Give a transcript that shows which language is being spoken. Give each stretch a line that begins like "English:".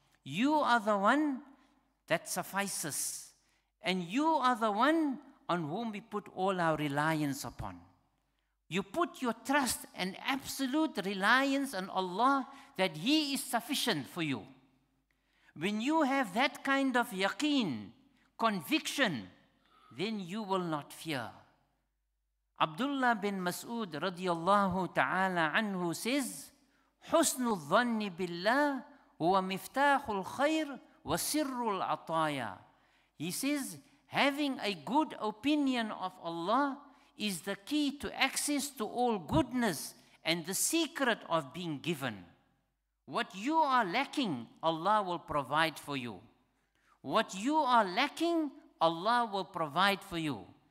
English: You are the one that suffices, and you are the one on whom we put all our reliance upon. You put your trust and absolute reliance on Allah that He is sufficient for you. When you have that kind of yaqeen, conviction, then you will not fear.
Arabic: Abdullah bin Mas'ud radiallahu ta'ala anhu says, حُسْنُ الظَّنِّ بِاللَّهِ هُوَ مِفْتَاحُ الْخَيْرِ وَسِرُّ الْعَطَايَا.
English: He says, having a good opinion of Allah is the key to access to all goodness and the secret of being given. What you are lacking, Allah will provide for you. What you are lacking, Allah will provide for you.